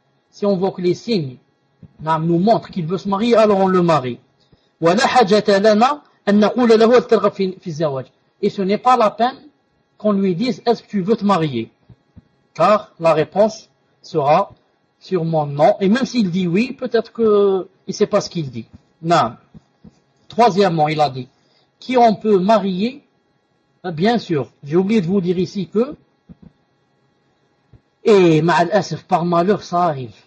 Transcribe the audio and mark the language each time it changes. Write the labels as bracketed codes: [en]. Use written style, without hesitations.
[fr] Si on voit que les signes نعم nous montre qu'il veut se marier, alors on le marie. [ar] ولا حاجة لنا أن نقول له هل ترغب في الزواج. [fr] Et ce n'est pas la peine qu'on lui dise est-ce que tu veux te marier, car la réponse sera sûrement non. Et même s'il dit oui, peut-être que il sait pas ce qu'il dit. نعم. Troisièmement, il a dit qui on peut marier. Bien sûr, j'ai oublié de vous dire ici que, et malheur, par malheur, ça arrive.